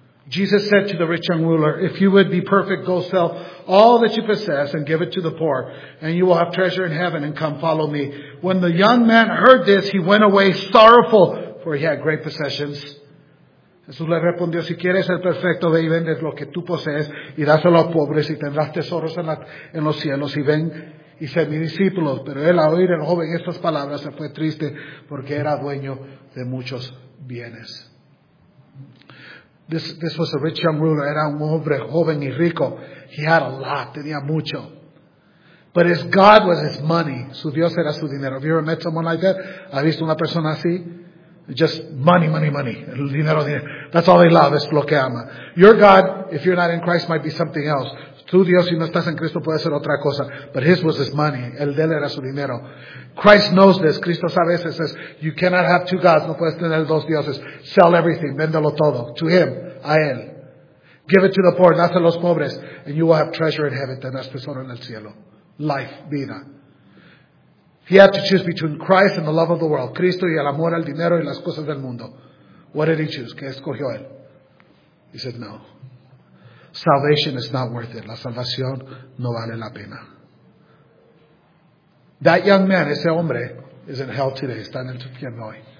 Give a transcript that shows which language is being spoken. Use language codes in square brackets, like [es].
[en] Jesus said to the rich young ruler, if you would be perfect, go sell all that you possess and give it to the poor, and you will have treasure in heaven, and come follow me. When the young man heard this, he went away sorrowful, for he had great possessions. [es] Jesús le respondió, si quieres ser perfecto, ve y vende lo que tú posees, y dáselo a los pobres, y tendrás tesoros en los cielos, y ven y sé mi discípulo. Pero él, al oír el joven estas palabras, se fue triste, porque era dueño de muchos bienes. [en] This was a rich young ruler. [es] Era un hombre joven y rico. [en] He had a lot. [es] Tenía mucho. [en] But his God was his money. [es] Su Dios era su dinero. [en] Have you ever met someone like that? [es] ¿Ha visto una persona así? [en] Just money, money, money. [es] El dinero, dinero. [en] That's all they love. [es] Es lo que ama. [en] Your God, if you're not in Christ, might be something else. [es] Tu Dios, si no estás en Cristo, puede ser otra cosa. [en] But his was his money. [es] El de él era su dinero. [en] Christ knows this. [es] Cristo sabe eso. [en] Says, you cannot have two gods. [es] No puedes tener dos dioses. [en] Sell everything. [es] Véndelo todo. [en] To him. [es] A él. [en] Give it to the poor. [es] Dáselo a los pobres. [en] And you will have treasure in heaven. [es] Tendrás tesoro en el cielo. [en] Life. Vida. He had to choose between Christ and the love of the world. [es] Cristo y el amor al dinero y las cosas del mundo. [en] What did he choose? [es] ¿Qué escogió él? [en] He said, no. Salvation is not worth it. [es] La salvación no vale la pena. [en] That young man, [es] ese hombre, [en] is in hell today. [es] Está en el infierno hoy.